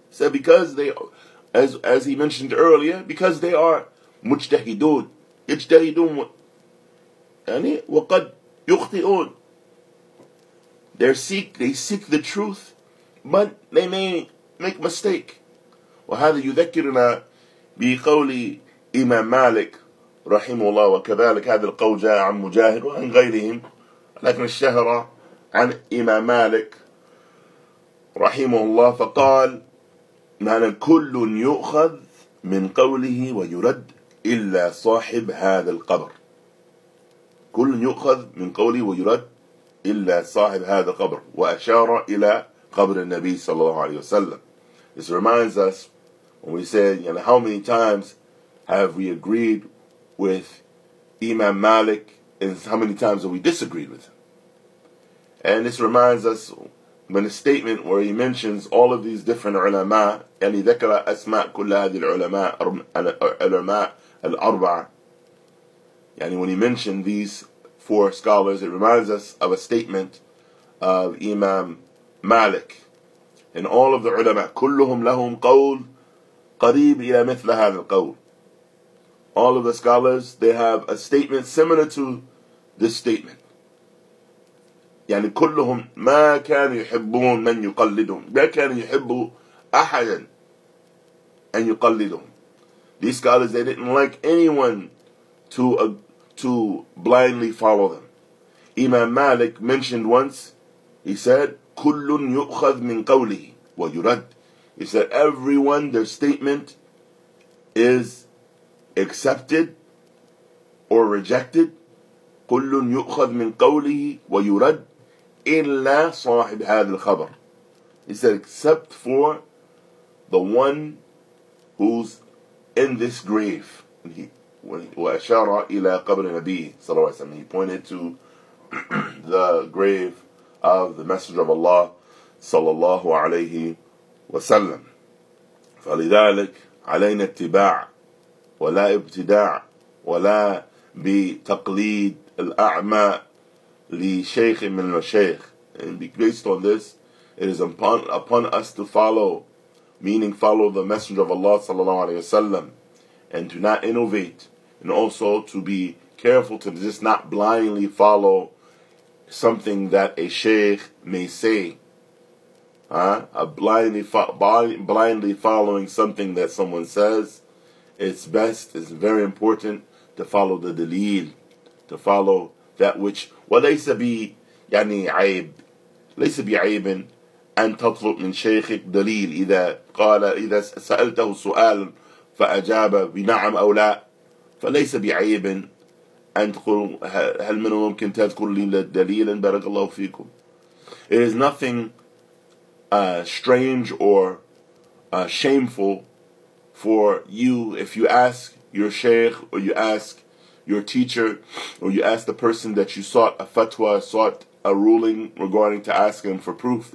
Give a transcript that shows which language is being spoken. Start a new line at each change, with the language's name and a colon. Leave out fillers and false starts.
English: So because they, as he mentioned earlier, because they are
Arabic: مجتهدون يجتهدون يعني وقد يخطئون.
English: They seek the truth, but they may make mistake.
Arabic: وهذا يذكرنا بقول إمام مالك رحمه الله, وكذلك هذا القول جاء عن مجاهد وعن غيرهم, لكن الشهرة عن إمام مالك رحمه الله, فقال معنى كل يؤخذ من قوله ويرد إلا صاحب هذا القبر. كل يؤخذ من قوله ويرد إلا صاحب هذا القبر, وأشار إلى قبر النبي صلى الله عليه وسلم.
English: This reminds us when we say, you know, how many times have we agreed with Imam Malik and how many times have we disagreed with him? And this reminds us when a statement where he mentions all of these different ulama,
Arabic: يعني ذكر أسماء كل هذه العلماء العلماء الأربعة,
English: يعني when he mentioned these four scholars, it reminds us of a statement of Imam Malik. And all of the ulama,
Arabic: كلهم لهم قول قريب إلى مثل هذا القول.
English: All of the scholars, they have a statement similar to this statement.
Arabic: يعني كلهم ما كانوا يحبون من يقلدهم. ما كانوا يحبوا أحدا أن يقلدهم.
English: These scholars, they didn't like anyone to blindly follow them. Imam Malik mentioned once, he said,
Arabic: كُلٌ يُؤْخَذْ مِنْ قَوْلِهِ وَيُرَدْ.
English: He said, everyone, their statement is accepted or rejected.
Arabic: كُلٌ يُؤْخَذْ مِنْ قَوْلِهِ وَيُرَدْ إِلَّا صَاحِبْ هَذِ الْخَبَرِ.
English: He said, except for the one who's in this grave. And he,
Arabic: وأشار إلى قبر النبي صلى الله عليه وسلم,
English: he pointed to the grave of the Messenger of Allah
Arabic: صلى الله عليه وسلم. فلذلك علينا اتباع ولا ابتداع ولا بتقليد الأعمى لشيخ من المشايخ.
English: And based on this, it is upon us to follow, meaning follow the messenger of Allah
Arabic: صلى الله عليه وسلم,
English: and to not innovate, and also to be careful to just not blindly follow something that a sheikh may say. Blindly following something that someone says, it's best, it's very important to follow the dalil, to follow that which,
Arabic: وَلَيْسَ بِي يعني عَيْبٍ لَيْسَ بِي عَيْبٍ أَن تَطْلُبْ مِنْ شَيْخِكْ دَلِيلٍ إِذَا قَالَ إِذَا سَأَلْتَهُ سُؤَالٍ فَأَجَابَ بِنَعَمْ أَوْ لَا فَلَيْسَ بِعَيْبٍ أَن تَقُلْ هَلْ مِنْ مُمْكِنْ تَذْكُرْ لِي دَلِيلًا بَرَكَ اللَّهُ فِيكُمْ.
English: It is nothing strange or shameful for you if you ask your sheikh or you ask your teacher or you ask the person that you sought a fatwa, sought a ruling regarding, to ask him for proof.